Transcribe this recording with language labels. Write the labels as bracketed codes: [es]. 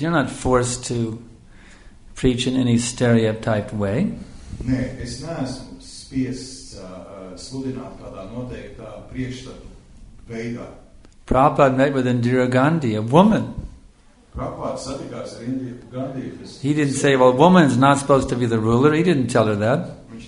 [en] You're not forced to preach in any stereotyped way. [lv] Nē, es neesmu spiests sludināt kādā noteiktā priekšstatu veidā. [en] Prabhupāda met with Indira Gandhi, a woman. [lv] Prabhupāda satikās ar Indira Gandhi. [en] He didn't say, "Well, woman is not supposed to be the ruler." He didn't tell her that.